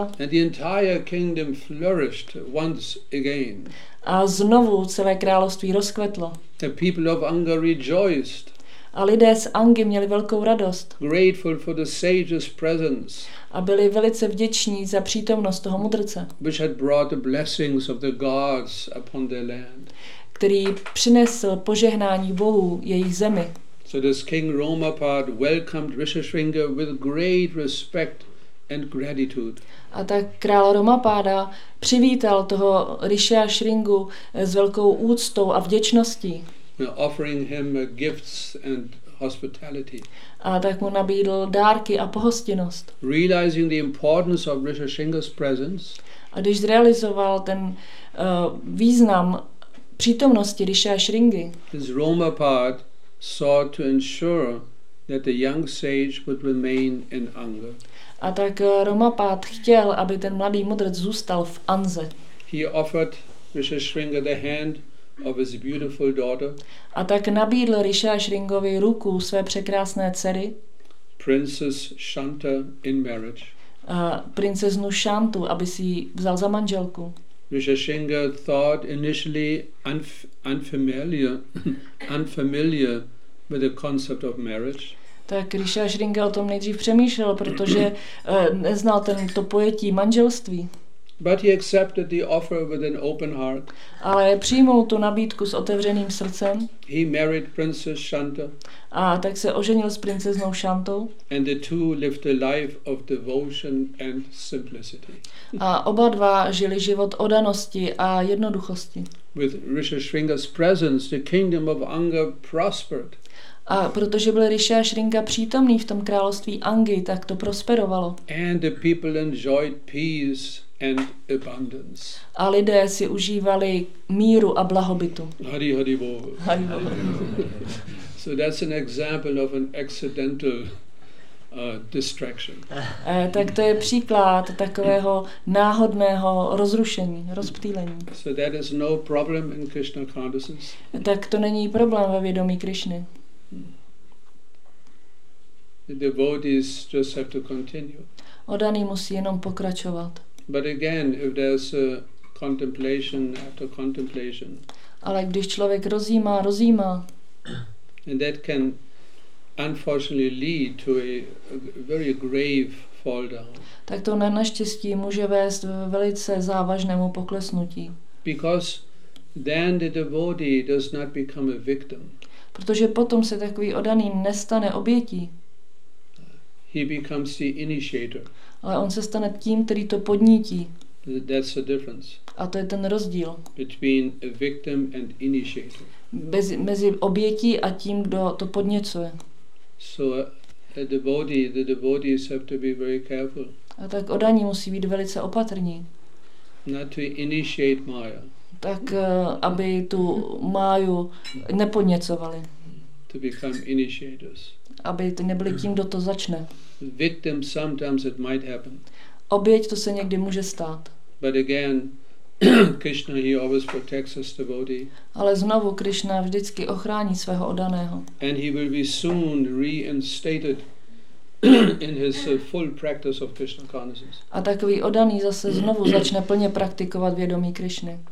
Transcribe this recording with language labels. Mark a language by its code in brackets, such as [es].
[en] And the entire kingdom flourished once again. [cs] A znovu celé království rozkvetlo. [en] The people of Anga rejoiced. [cs] A lidé z Angy měli velkou radost. [en] Grateful for the sage's presence. [cs] A byli velice vděční za přítomnost toho mudrce. [en] Which had brought the blessings of the gods upon their land. [cs] Který přinesl požehnání bohů jejich zemi. [en] So this king Romapad welcomed Rishasringa with great respect and gratitude. [cs] A tak král Romapáda přivítal toho Rishasringu s velkou úctou a vděčností. [en] Offering him gifts and hospitality. [cs] A tak mu nabídl dárky a pohostinnost. [en] Realizing the importance of Rishasringa's presence. [cs] A když zrealizoval ten význam přítomnosti Rishi Sringy. [en] His Romapad sought to ensure that the young sage would remain in Anga. [cs] A tak Romapad chtěl, aby ten mladý mudrc zůstal v Anze. [en] He offered Rishi Sringa the hand of his beautiful daughter. [cs] A tak nabídl Rishi Sringovi ruku své překrásné dcery. [en] Princess Shanta in marriage. [cs] Princeznu Shantu, aby si ji vzal za manželku. [en] Rishi Sringa thought initially unfamiliar with the concept of marriage. [cs] Tak Rishi Sringa o tom nejdřív přemýšlel, protože neznal to pojetí manželství. [en] But he accepted the offer with an open heart. [cs] Ale přijmul tu nabídku s otevřeným srdcem. [en] He married Princess Shanta. [cs] A tak se oženil s princeznou Shantou. [en] And the two lived a life of devotion and simplicity. [cs] A oba dva žili život oddanosti a jednoduchosti. [en] With Rishi Sringa's presence, the kingdom of Anga prospered. [cs] A protože byl Rishi Sringa přítomný v tom království Angy, tak to prosperovalo. [en] And the people enjoyed peace and abundance. [cs] A lidé si užívali míru a blahobytu. Hari hari bo. [en] So that's an example of an accidental distraction. [cs] Tak to je příklad takového náhodného rozrušení, rozptýlení. [en] So that is no problem in Krishna consciousness. [cs] Tak to není problém ve vědomí Krishny. [en] The devotees just have to continue. [cs] Oddaný musí jenom pokračovat. [en] But again, if there's a contemplation after contemplation. [cs] Ale když člověk rozjímá. [en] And that can unfortunately lead to a very grave fall down. [cs] Tak to naštěstí může vést velice závažnému poklesnutí. [en] Because then the devotee does not become a victim. [cs] protože potom se takový oddaný nestane obětí. [en] He becomes the initiator. [cs] Ale on se stane tím, který to podnítí. [en] That's the difference. [cs] A to je ten rozdíl. [en] Between a victim and initiator. [cs] Mezi obětí a tím, kdo to podněcuje. [en] So a devotee, the devotees have to be very careful. [cs] A tak oddaní musí být velice opatrní. [en] Not to initiate Maya. [cs] Tak aby tu Máju nepodněcovali. [en] To become initiators. [cs] Aby to nebyli tím, kdo to začne. [en] Victim sometimes it might happen. [cs] Oběť to se někdy může stát. [en] But again, Krishna, he always protects his devotee. [cs] Ale znovu Krishna vždycky ochrání svého oddaného. [en] And he will be soon reinstated in his full practice of Krishna consciousness. [cs] A takový oddaný zase znovu začne plně praktikovat vědomí Krishny.